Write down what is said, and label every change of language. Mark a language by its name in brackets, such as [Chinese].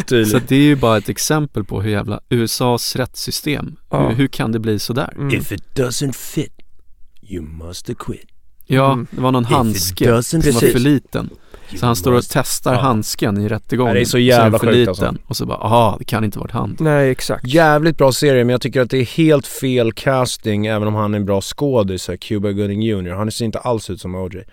[Swedish] Så det är ju bara ett exempel på hur jävla USAs rättssystem. Ja. Hur kan det bli så där? [English] If it doesn't fit, you must acquit. [Swedish] Ja, det var någon handske som var för liten. Så han står och testar handsken i rättegången. Det är så jävla sjukt alltså. Och så bara, aha, det kan inte vara han. Nej, exakt. Jävligt bra serie, men jag tycker att det är helt fel casting. Även om han är en bra skådis, Cuba Gooding Jr. Han ser inte alls ut som OJ.